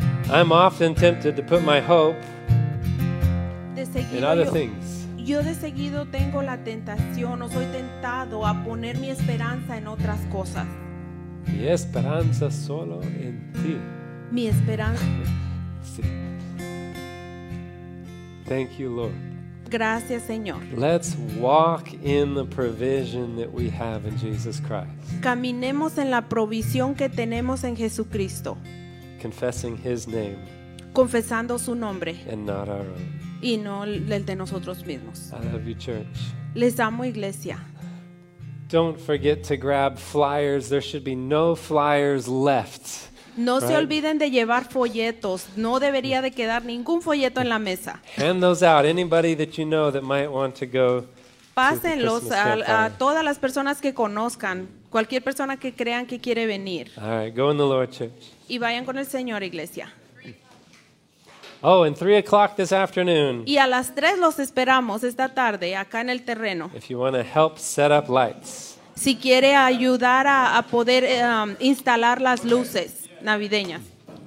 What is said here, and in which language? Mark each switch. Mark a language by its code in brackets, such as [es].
[en] I'm often tempted to put my hope in other things. [es] Yo de seguido tengo la tentación, o soy tentado a poner mi esperanza en otras cosas. Mi esperanza solo en ti. Mi esperanza. Sí. [en] Thank you, Lord. [es] Gracias, Señor. [en] Let's walk in the provision that we have in Jesus Christ. [es] Caminemos en la provisión que tenemos en Jesucristo. [en] Confessing His name. [es] Confesando su nombre. [en] And not our own. [es] Y no el de nosotros mismos. [en] I love you, church. [es] Les amo, iglesia. [en] Don't forget to grab flyers. There should be no flyers left. [es] No, [en] right? [es] Se olviden de llevar folletos. No debería de quedar ningún folleto en la mesa. [en] Hand those out. Anybody that you know that might want to go. [es] Pásenlos a todas las personas que conozcan. Cualquier persona que crean que quiere venir. [en] All right, go in the Lord, church. [es] Y vayan con el Señor, iglesia. [en] Oh, and 3 o'clock this afternoon. [es] Y a las 3 los esperamos esta tarde acá en el terreno. [en] If you want to help set up lights. [es] Si quiere ayudar a poder instalar las luces navideñas.